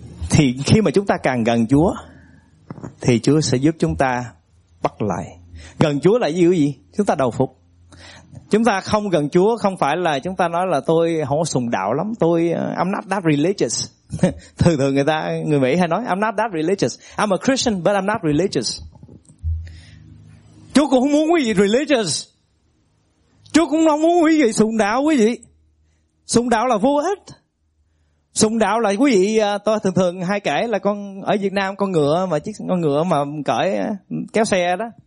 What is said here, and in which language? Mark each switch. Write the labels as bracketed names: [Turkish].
[Vietnamese] Thì khi mà chúng ta càng gần Chúa thì Chúa sẽ giúp chúng ta bắt lại. Gần Chúa là gì? Chúng ta đầu phục. Chúng ta không gần Chúa không phải là chúng ta nói là tôi không có sùng đạo lắm, tôi I'm not that religious. Thường thường người Mỹ hay nói I'm not that religious. [English] I'm a Christian but I'm not religious. [Vietnamese] Chúa cũng không muốn quý vị religious. Chúa cũng không muốn quý vị sùng đạo quý vị. Sùng đạo là vô ích. Sùng đạo là quý vị, tôi thường thường hay kể là con ở Việt Nam con ngựa mà cởi kéo xe đó.